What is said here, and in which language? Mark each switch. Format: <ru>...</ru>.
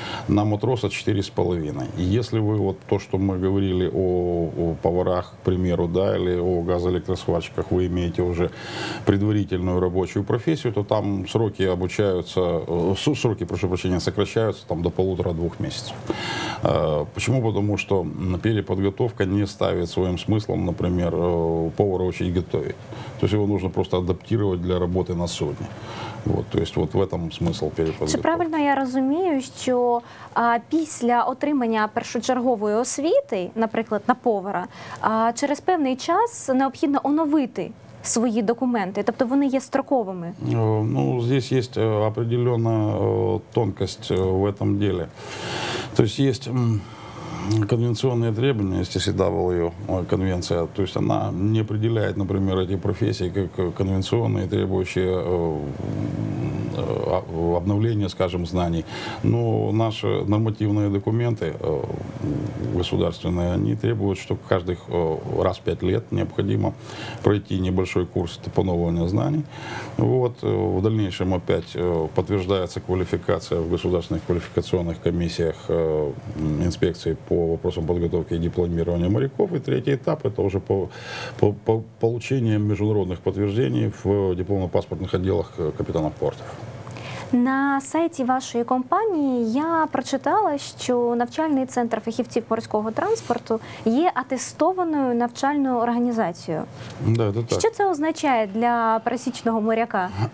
<ru>На матроса 4,5. И если вы вот то, что мы говорили о поварах, к примеру, да, или о газоэлектросварщиках, вы имеете уже предварительную рабочую профессию, то там сроки обучаются, сроки, прошу прощения, сокращаются там до 1,5-2 месяцев. Почему? Потому что переподготовка не ставит своим смыслом, например, повара учить готовить. То есть его нужно просто адаптировать для работы на судне. Вот, то есть вот в этом смысл переподготовки.</ru> <uk>Чи правильно я розумію, що після отримання першочергової освіти, наприклад, на повара, через певний час необхідно оновити свої документи, тобто вони є строковими?</uk> <ru>Ну, тут є определена тонкость в этом деле.</ru> <uk>Тобто є конвенційні</uk> <ru>требования, СТСВ, конвенція, то есть она не определяет, например, эти профессии как конвенционные, требующие обновление, скажем, знаний. Но наши нормативные документы государственные, они требуют, что каждый раз в 5 лет необходимо пройти небольшой курс топонования знаний. Вот, в дальнейшем опять подтверждается квалификация в государственных квалификационных комиссиях инспекции по вопросам подготовки и дипломирования моряков. И третий этап — это уже по получению международных подтверждений в дипломно-паспортных отделах капитанов портов.</ru> <uk>На сайті вашої компанії я прочитала, що навчальний центр фахівців морського транспорту є атестованою навчальною організацією. Да, це так. Що це означає для пересічного моряка?</uk>